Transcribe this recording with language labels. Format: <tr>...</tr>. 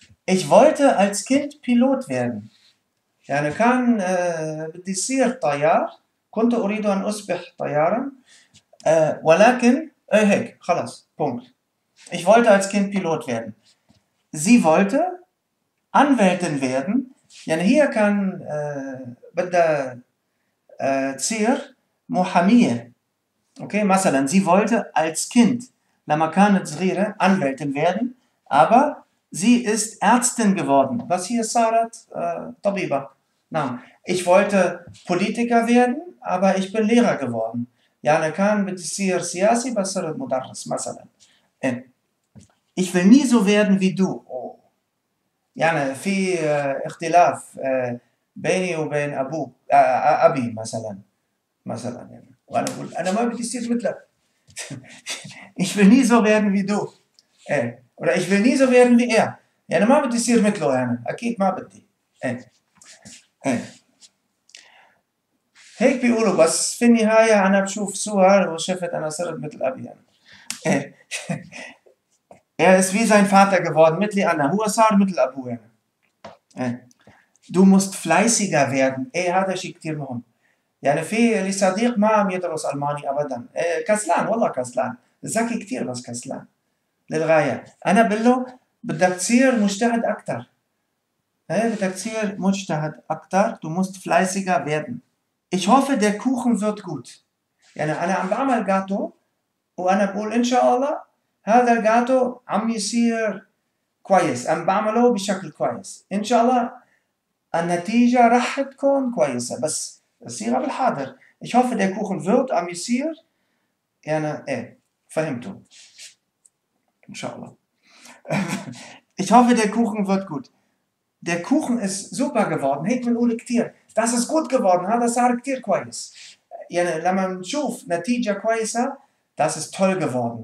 <de>ich wollte als kind pilot werden</de> <ar>يعني كان بدي صير طيار كنت اريد ان اصبح طيارا ولكن هيك خلاص بونك</ar> <de>ich wollte als kind pilot werden sie wollte anwältin werden</de> <ar>يعني هي كان بدها تصير محامية.</ar> <de>اوكي مثلا sie wollte als Kind</de> <ar>لما كانت صغيرة</ar> <de>Anwältin werden aber sie ist Ärztin geworden.</de> <ar>Was hier صارت طبيبة. نعم.</ar> <de>Ich wollte Politiker werden aber ich bin Lehrer geworden.</de> <ar>يعني كان بتصير سياسي بس صرت مدرس مثلا.</ar> <de>Ich will nie so werden wie du.</de> <ar>يعني في اختلاف بيني وبين أبوك أبي مثلا يعني وأنا أقول أنا ما بدي أصير مثلك</ar> <de>Ich will nie so werden wie du oder ich will nie so werden wie er</de> <ar>يعني ما بدي أصير مثله يعني أكيد ما بدي هيك بيقولوا بس في النهاية أنا بشوف صور وشفت أنا صرت مثل أبي يعني</ar> <de>Er ist wie sein Vater geworden, mitli Anna.</de> <ar>هو صار مثل أبوه يعني.</ar> <de>Du musst fleißiger werden.</de> <ar>Ey, هذا شيء كثير مهم. يعني في اللي صديق ما عم يدرس ألماني أبداً. كسلان، والله كسلان. ذكي كثير بس كسلان. للغاية. أنا بقول له بدك تصير مجتهد أكثر. إيه بدك تصير مجتهد أكثر.</ar> <de>Du musst fleißiger werden. Ich hoffe, der Kuchen wird gut.</de> <ar>يعني أنا عم بعمل جاتو وأنا بقول إن شاء الله هذا الجاتو عم يصير كويس. عم بعمله بشكل كويس. إن شاء الله النتيجة راح تكون كويسة بس صيغة بالحاضر.</ar> <de>Ich hoffe der Kuchen wird amüsiert.</de> <ar>يعني إيه فهمتوا إن شاء الله.</ar> <de>Ich hoffe der Kuchen wird gut. Der Kuchen ist super geworden.</de> <ar>هيك بنقول كتير.</ar> <de>Das ist gut geworden.</de> <ar>هذا صار كتير كويس. يعني لما نشوف نتيجة كويسة,</ar> <de>das ist toll geworden.</de>